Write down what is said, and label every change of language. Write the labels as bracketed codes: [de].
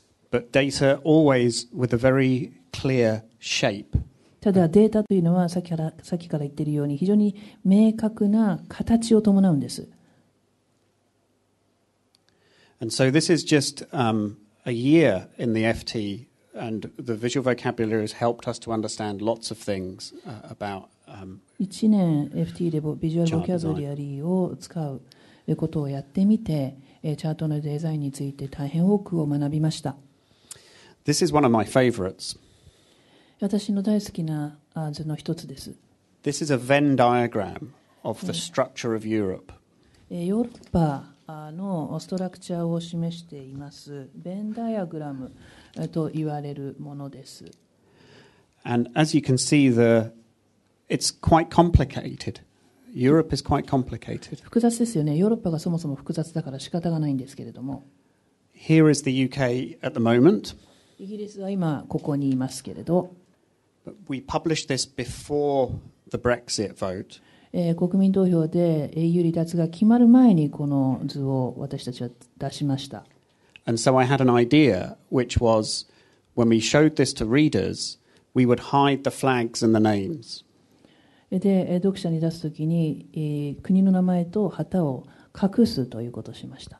[en] But data always with a very clear shape. [ja] ただ、データというのはさっきから言っているように、非常に明確な形を伴うんです。 [en] And so this is just, a year in the FT, and the visual vocabulary has helped us to understand lots of things about. [ja] 1年 FT でビジュアルボキャブラリーを使うことをやってみて、チャートのデザインについて大変多くを学びました。 [en] This is one of my favorites. [ja] 私の大好きな図の一つです。 [en] This is a Venn diagram of the structure of Europe. [ja] ヨーロッパのストラクチャーを示しています。 Venn diagram と言われるものです。 [en] And as you can see theIt's quite complicated. Europe is quite complicated. [ja] 複雑ですよね。ヨーロッパがそもそも複雑だから仕方がないんですけれども。 [en] Here is the UK at the moment. [ja] イギリスは今ここにいますけれど。 [en] But we published this before the Brexit vote. [ja] 国民投票で EU 離脱が決まる前にこの図を私たちは出しました。 [en] And so I had an idea, which was when we showed this to readers, we would hide the flags and the names. [ja] で読者に出すときに国の名前と旗を隠すということをしました。